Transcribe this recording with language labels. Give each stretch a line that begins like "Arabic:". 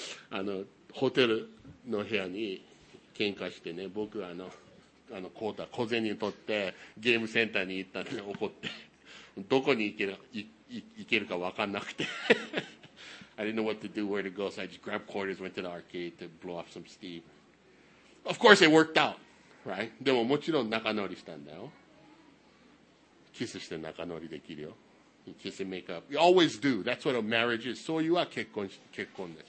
Japanese: あのホテルの部屋に喧嘩してね、僕はあのコーター小銭を取ってゲームセンターに行ったんで怒って。どこに行けるか分かんなくて。
English: I didn't know what to do, where to go, so I just grabbed quarters, went to the arcade to blow off some steam. Of course, it worked out, right?
Japanese: でももちろん仲直りしたんだよ。キスして仲直りできるよ。
English: Kiss and make up. You always do. That's what a marriage is.
Japanese: そういうは結婚でしょ。